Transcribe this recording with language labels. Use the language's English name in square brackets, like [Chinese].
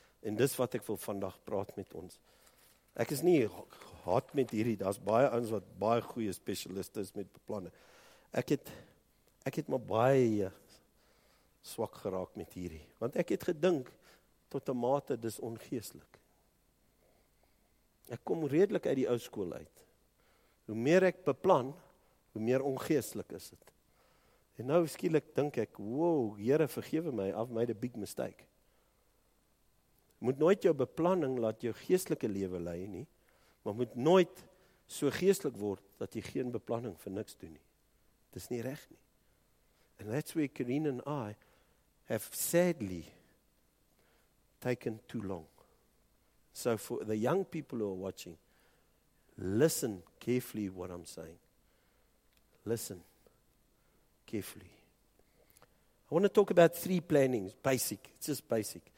[Afrikaans] En dis wat ek wil vandag praat met ons. Ek is nie hard met hierdie. Daar's baie ons wat baie goeie specialist is met beplanning. Ek het maar baie swak geraak met hierdie, want ek het gedink tot 'n mate dis ongeestelik. Ek kom redelik uit die ou skool uit. Hoe meer ek beplan, hoe meer ongeestelik is dit. En nou skielik dink ek, "Wow, Here, vergewe my, [English] I've made a big mistake." [Afrikaans] Moet nooit jou beplanning laat jou geestelike lewe lei nie, maar moet nooit so geestelik word dat jy geen beplanning vir niks doen nie. Dis nie reg nie. [English] And that's where Karine and I have sadly taken too long. So for the young people who are watching, listen carefully what I'm saying. Listen carefully. I want to talk about three plannings, basic. It's just basic.